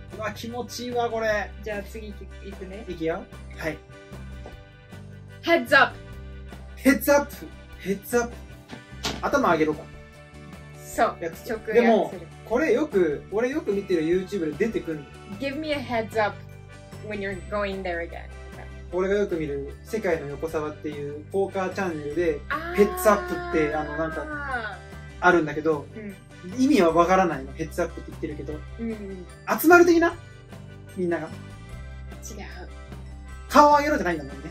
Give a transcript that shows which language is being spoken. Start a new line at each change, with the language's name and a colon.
Japanese: うわ気持ちいいわこれ。じゃあ次いくね。いくよ。はい。ヘッズアップ。ヘッズアップ。ヘッズアップ。頭上げろか。そう。直訳する。でもこれよく俺よく見てる YouTube で出てくる。
English: Give me a heads up when you're going there again.
Japanese: 俺がよく見る世界の横沢っていうポーカーチャンネルでヘッツアップってあのなんかあるんだけど、うん、意味はわからないのヘッツアップって言ってるけど、うん、集まる的なみんなが違う顔を上げろじゃないんだもんね、